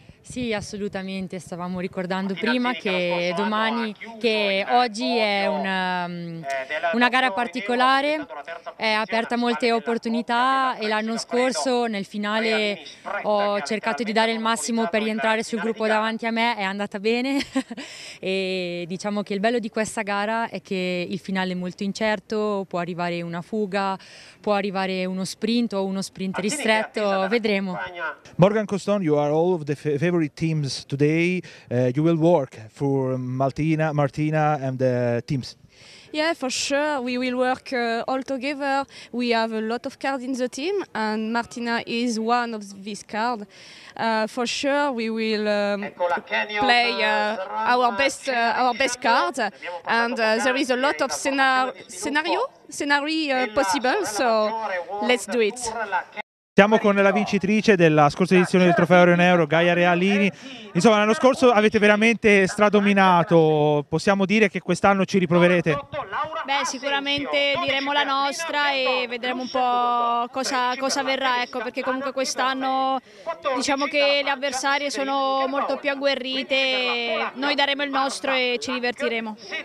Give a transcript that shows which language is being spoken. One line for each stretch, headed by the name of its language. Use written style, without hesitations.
Italian: Sì, assolutamente, stavamo ricordando prima che domani, che oggi è una gara particolare, è aperta molte opportunità, e l'anno scorso nel finale ho cercato di dare il massimo per rientrare sul gruppo davanti a me, è andata bene e diciamo che il bello di questa gara è che il finale è molto incerto, può arrivare una fuga, può arrivare uno sprint o uno sprint ristretto, vedremo.
English: Morgan Coston, you are all of the favorite teams today. You will work for Martina and the teams. Yeah, for sure. We will work all together. We have a lot of cards in the team, and Martina is one of these cards. For sure, we will play our best card. And there is a lot of scenario possible. So let's do it.
Italian: Siamo con la vincitrice della scorsa edizione del trofeo Orion Euro, Gaia Realini. Insomma, l'anno scorso avete veramente stradominato, possiamo dire che quest'anno ci riproverete? Beh, sicuramente diremo la nostra e vedremo un po' cosa verrà, ecco, perché comunque quest'anno diciamo che le avversarie sono molto più agguerrite, noi daremo il nostro e ci divertiremo.